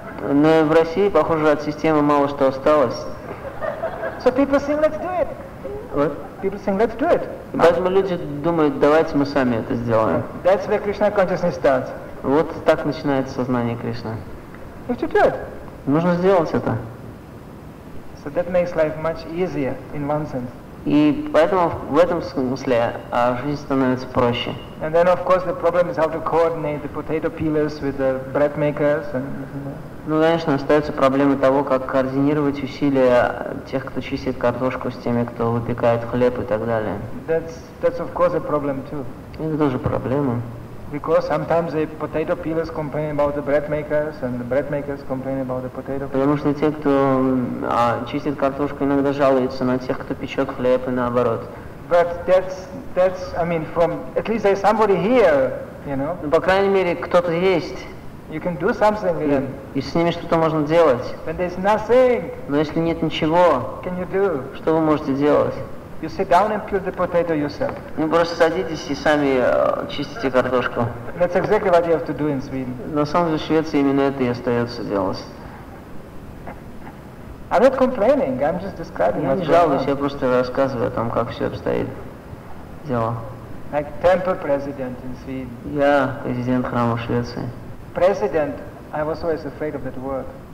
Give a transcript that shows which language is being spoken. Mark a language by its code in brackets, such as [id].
[ru] Но в России, похоже, от системы мало что осталось. [en] So people say, let's do it. What? People say, let's do it. [ru] Поэтому люди думают, давайте мы сами это сделаем. [en] That's where Krishna consciousness starts. [ru] Вот так начинается сознание Кришны. [en] You have to do it. [ru] Нужно сделать это. [en] So that makes life much easier in one sense. [ru] И поэтому в этом смысле жизнь становится проще. [en] And then of course the problem is how to coordinate the potato peelers with the bread makers and. [ru] Ну, конечно, остаются проблемы того, как координировать усилия тех, кто чистит картошку, с теми, кто выпекает хлеб и так далее. [en] That's of course a problem too. [ru] Это тоже проблема. [en] Because sometimes the potato peelers complain about the bread makers, and the bread makers complain about the potato peelers. [ru] Потому что те, кто чистит картошку, иногда жалуются на тех, кто печет хлеб, и наоборот. [en] But that's I mean, from at least there's somebody here, you know. [ru] Ну, по крайней мере, кто-то есть. [en] You can do something with them. [ru] И с ними что-то можно делать. [en] When there's nothing. [ru] Но если нет ничего, [en] can you do? [ru] Что вы можете делать? [en] You sit down and peel the potato yourself. [ru] Ну просто садитесь и сами чистите картошку. [en] That's exactly what you have to do in Sweden. [ru] На самом деле в Швеции именно это и остается делать. [en] I'm not complaining. I'm just describing. [ru] Я не жалуюсь, я просто рассказываю о том, как все обстоит дело. [en] Like temple president in Sweden. [ru] Я президент храма в Швеции. [en] President, I was always afraid of that word.